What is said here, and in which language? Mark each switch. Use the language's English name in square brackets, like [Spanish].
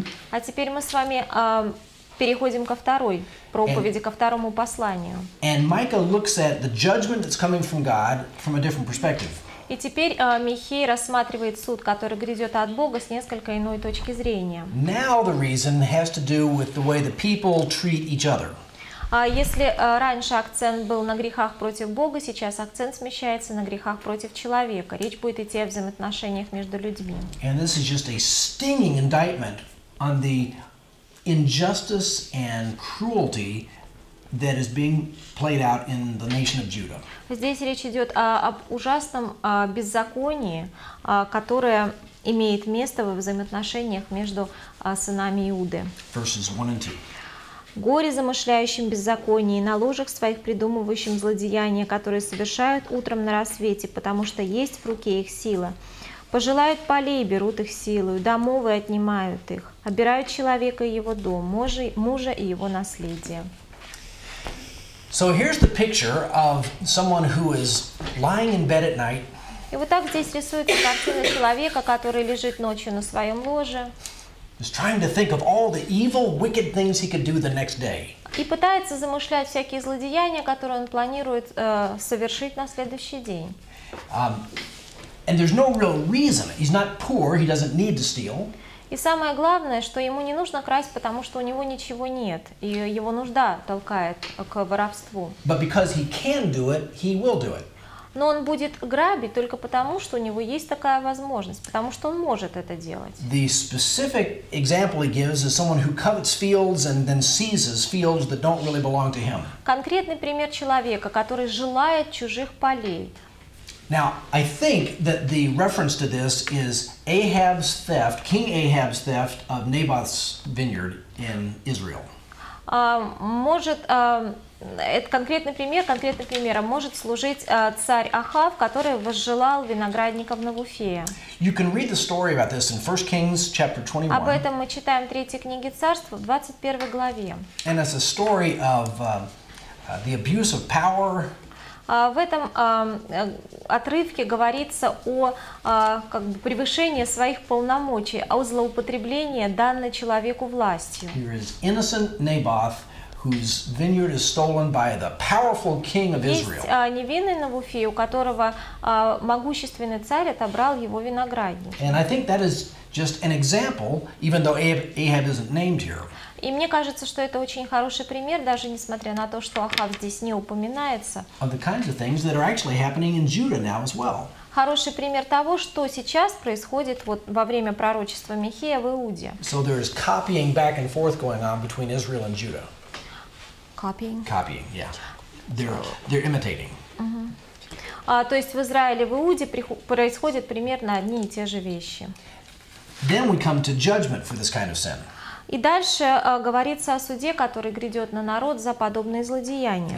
[Russian] А теперь мы с вами переходим ко второй проповеди, ко второму посланию. [English] And Micah looks at the judgment that's coming from God from a different perspective. [Russian] И теперь Михей рассматривает суд, который грядет от Бога с несколько иной точки зрения. [English] Now the reason has to do with the way the people treat each other. [Russian] Если раньше акцент был на грехах против Бога, сейчас акцент смещается на грехах против человека. Речь будет идти о взаимоотношениях между людьми. [English] And this is just a stinging indictment on the injustice and cruelty that is being played out in the nation of Judah. [Russian] Здесь речь идет об ужасном беззаконии, которое имеет место во взаимоотношениях между сынами Иуды. [English] Verses 1 and 2. [Russian] Горе замышляющим беззаконие, на ложах своих придумывающим злодеяния, которые совершают утром на рассвете, потому что есть в руке их сила. Пожелают полей, берут их силу, домов и отнимают их, обирают человека и его дом, мужа и его наследие. [English] So here's the picture of someone who is lying in bed at night. [Russian] И вот так здесь рисуется картина человека, который лежит ночью на своем ложе. [English] He's trying to think of all the evil, wicked things he could do the next day. [Russian] И пытается замышлять всякие злодеяния, которые он планирует совершить на следующий день. [English] And there's no real reason. He's not poor. He doesn't need to steal. [Russian] И самое главное, что ему не нужно красть, потому что у него ничего нет, и его нужда толкает к воровству. [English] But because he can do it, he will do it. [Russian] Но он будет грабить только потому, что у него есть такая возможность, потому что он может это делать. [English] The specific example he gives is someone who covets fields and then seizes fields that don't really belong to him. [Russian] Конкретный пример человека, который желает чужих полей. [English] Now, I think that the reference to this is Ahab's theft, King Ahab's theft of Naboth's vineyard in Israel. [Russian] Это конкретный пример, может служить царь Ахав, который возжелал виноградников на Вуфея. [English] You can read the story about this in 1 Kings chapter 21. [Russian] Об этом мы читаем в Третьей книге Царств, в 21 главе. [English] And it's a story of the abuse of power. [Russian] В этом отрывке говорится о как бы превышении своих полномочий, о злоупотреблении данной человеку властью. [English] Here is innocent Naboth, whose vineyard is stolen by the powerful king of Israel. [Russian] Есть невинный Навуфей, у которого могущественный царь отобрал его виноградник. [English] And I think that is just an example, even though Ahab isn't named here. [Russian] И мне кажется, что это очень хороший пример, даже несмотря на то, что Ахав здесь не упоминается. [English] Of the kinds of things that are actually happening in Judah now as well. [Russian] Хороший пример того, что сейчас происходит вот во время пророчества Михея в Иуде. [English] So there is copying back and forth going on between Israel and Judah. Copying, yeah. They're imitating. [Russian] То есть в Израиле, в Иуде происходят примерно одни и те же вещи. [English] Then we come to judgment for this kind of sin. [Russian] И дальше говорится о суде, который грядет на народ за подобные злодеяния.